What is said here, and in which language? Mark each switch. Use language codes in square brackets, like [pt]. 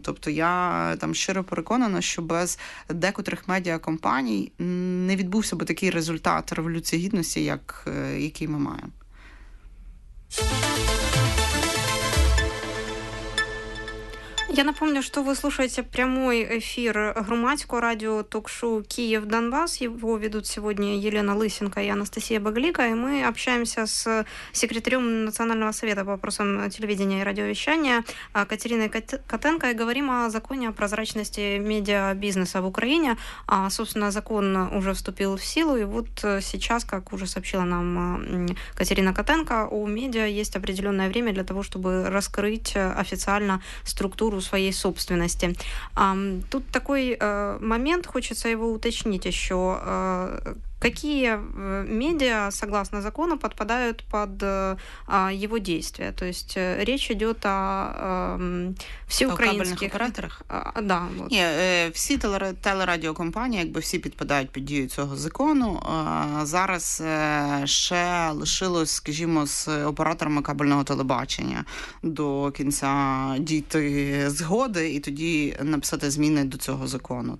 [uk] Тобто я там щиро переконана, що без декотрих медіакомпаній не відбувся би такий результат Революції Гідності, як, який ми маємо. [ru] Я напомню, что вы слушаете прямой эфир громадського радио ток-шоу «Киев-Донбасс». Его ведут сегодня Елена Лысенко и Анастасия Баглика. И мы общаемся с секретарем Национального совета по вопросам телевидения и радиовещания Катериной Котенко и говорим о законе о прозрачности медиабизнеса в Украине. А, собственно, закон уже вступил в силу. И вот сейчас, как уже сообщила нам Катерина Котенко, у медиа есть определенное время для того, чтобы раскрыть официально структуру своей собственности. Тут такой момент, хочется его уточнить еще. Какие медиа, согласно закону, подпадают под его действия? То есть речь идет о всеукраинских... О кабельных операторах? Да. Вот. [uk] Не, всі телерадіокомпанії, якби всі підпадають під дію цього закону. Зараз ще лишилось, скажімо, з операторами кабельного телебачення до кінця дійти згоди і тоді написати зміни до цього закону.